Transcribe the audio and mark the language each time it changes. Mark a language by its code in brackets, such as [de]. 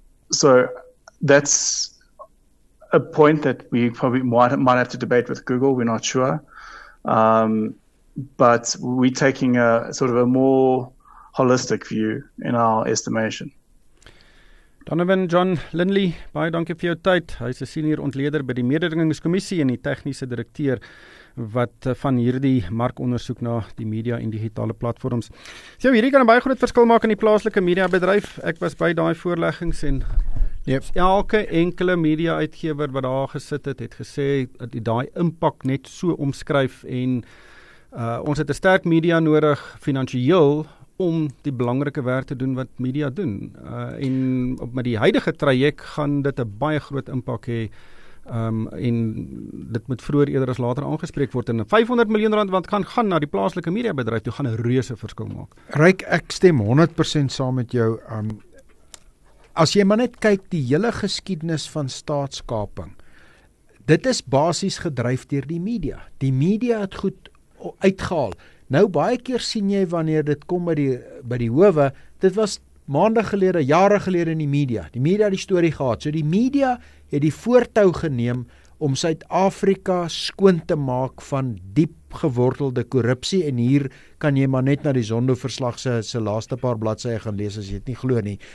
[en] So that's a point that we probably might have to debate with Google. We're not sure. But we're taking a sort of a more holistic view in our estimation. [af] Donovan John Lindley, baie dankie vir jou tyd. Hy's 'n senior ontleder by die Mededingingskommissie en die tegniese direkteur wat van hierdie markondersoek na die media en digitale platforms. So hierdie kan 'n baie groot verskil maak in die plaaslike mediabedryf. Ek was by daai voorleggings en elke enkele media uitgewer wat daar gesit het, het gesê dat daai impak net so omskryf en ons het 'n sterk media nodig finansiëel om die belangrike werk te doen wat media doen. En met die huidige traject gaan dit 'n baie groot impak hê. En dit moet vroeër eerder as later aangespreek word. En 500 miljoen rand wat kan gaan na die plaaslike mediabedryf toe gaan 'n reuse verskil maak. Ryk, ek stem 100% saam met jou. As jy maar net kyk die hele geskiedenis van staatskaping, dit is basies gedryf deur die media. Die media het goed uitgehaal. Nou, baie keer sien jy wanneer dit kom by die howe, dit was maande gelede, jare gelede in die media. Die media het die storie gehad. So die media het die voortou geneem om Suid-Afrika skoon te maak van diep gewortelde korrupsie. En hier kan jy maar net na die Zondo-verslag se laaste paar bladsye gaan lees as jy het nie glo nie.